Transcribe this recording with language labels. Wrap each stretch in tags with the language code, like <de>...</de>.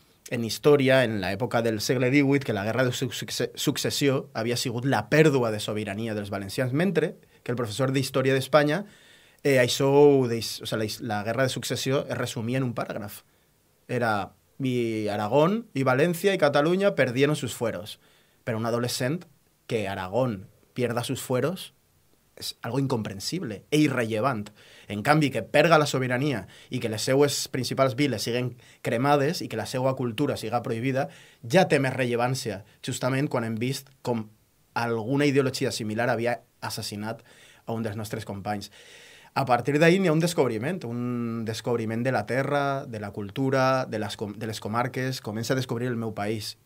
<ca>en història, en l'època del segle XVIII, que la guerra de successió havia sigut la pèrdua de sobirania dels valencians, mentre que el professor d'història d'Espanya, això, la guerra de successió es resumia en un paràgraf.</ca> <es>Era i Aragón i València i Catalunya perdieron sus fueros. Pero un adolescent que Aragón pierda sus fueros es algo incomprensible e irrelevant.</es> <ca>En canvi, que perga la sobirania i que les seues principals viles siguen cremades i que la seua cultura siga prohibida, ja té més rellevància, justament quan hem vist com alguna ideologia similar havia assassinat a un dels nostres companys. A partir d'ahí n'hi ha un descobriment de la terra, de la cultura, de les comarques, comença a descobrir el meu país.</ca>